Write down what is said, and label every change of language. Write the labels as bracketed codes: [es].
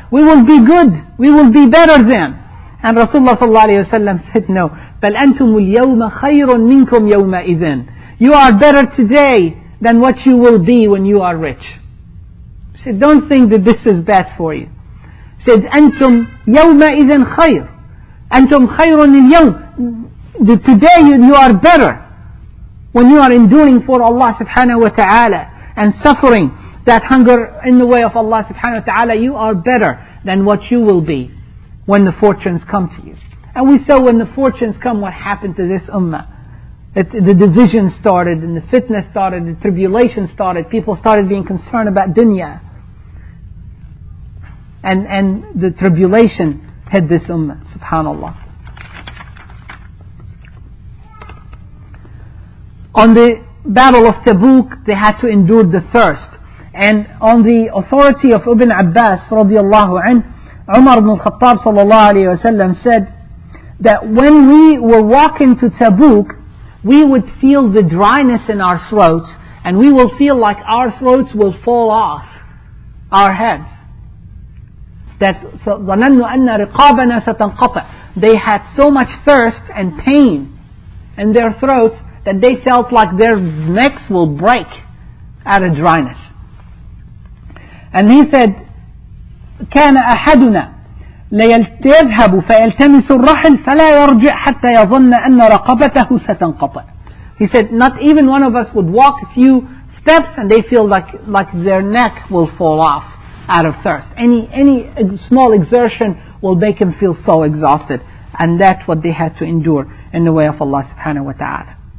[en] We will be good. We will be better then. And Rasulullah ﷺ said, no. [ar] بَلْ أَنْتُمُ الْيَوْمَ خَيْرٌ مِنْكُمْ يَوْمَ إِذٍ. [en] You are better today than what you will be when you are rich. He said, don't think that this is bad for you. He said, [ar] أَنْتُمْ يَوْمَ إِذٍ خَيْرٌ. أَنْتُمْ خَيْرٌ الْيَوْمِ. [en] Today you are better when you are enduring for Allah subhanahu wa ta'ala and suffering that hunger in the way of Allah subhanahu wa ta'ala. You are better than what you will be when the fortunes come to you. And we saw when the fortunes come, what happened to this ummah. The division started, and the fitna started, the tribulation started, people started being concerned about dunya. And the tribulation hit this ummah, subhanAllah. On the battle of Tabuk, they had to endure the thirst. And on the authority of Ibn Abbas, radiallahu anhu, Umar ibn al-Khattab sallallahu alayhi wa sallam said that when we were walking to Tabuk, we would feel the dryness in our throats, and we will feel like our throats will fall off our heads. That [ar] ظَنَنُّ أَنَّ رِقَابَنَا سَتَنْقَطَعَ. [en] They had so much thirst and pain in their throats that they felt like their necks will break out of dryness. And he said, [ar] كَانَ أَحَدُنَا لَيَذْهَبُ فَيَلْتَمِسُ الرَّحِلْ فَلَا يَرْجِعْ حَتَّى يَظَنَّ أَنَّ رَقَبَتَهُ سَتَنْقَطَعَ. [en] He said, not even one of us would walk a few steps and they feel like their neck will fall off out of thirst. Any small exertion will make them feel so exhausted. And that's what they had to endure in the way of Allah subhanahu wa ta'ala.